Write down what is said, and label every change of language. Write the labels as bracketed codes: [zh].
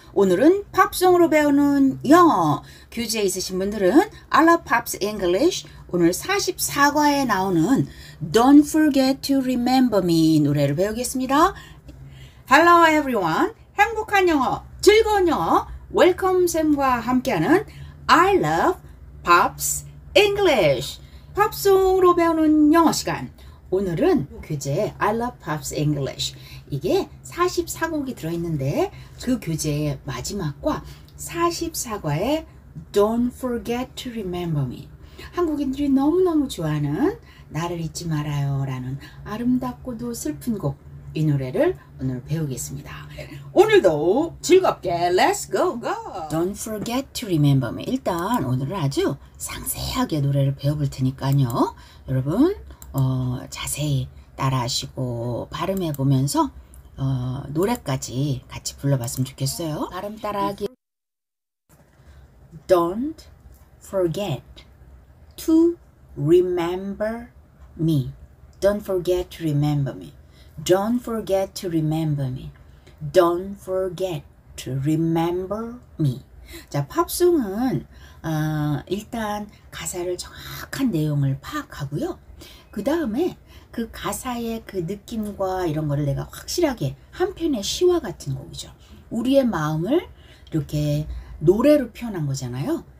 [ko] 오늘은 팝송으로 배우는 영어. 교재에 있으신 분들은 I love Pops English. 오늘 44과에 나오는 Don't Forget to Remember Me 노래를 배우겠습니다. [en] Hello everyone. [ko] 행복한 영어, 즐거운 영어. Welcome 쌤과 함께하는 I love Pops English. 팝송으로 배우는 영어 시간. 오늘은 교재 I love Pops English 이게 44곡이 들어있는데 그 교재의 마지막과 44과의 Don't forget to remember me 한국인들이 너무너무 좋아하는 나를 잊지 말아요 라는 아름답고도 슬픈 곡 이 노래를 오늘 배우겠습니다 오늘도 즐겁게 [en] Let's go go Don't forget to remember me [ko] 일단 오늘은 아주 상세하게 노래를 배워볼 테니까요 여러분 자세히 따라하시고 발음해 보면서 노래까지 같이 불러봤으면 좋겠어요. 발음 따라하기 [en] Don't forget to remember me. Don't forget to remember me. Don't forget to remember me. Don't forget to remember me. [ko] 자, 팝송은 일단 가사를 정확한 내용을 파악하고요. 그 다음에 그 가사의 그 느낌과 이런 거를 내가 확실하게 한 편의 시와 같은 곡이죠. 우리의 마음을 이렇게 노래로 표현한 거잖아요.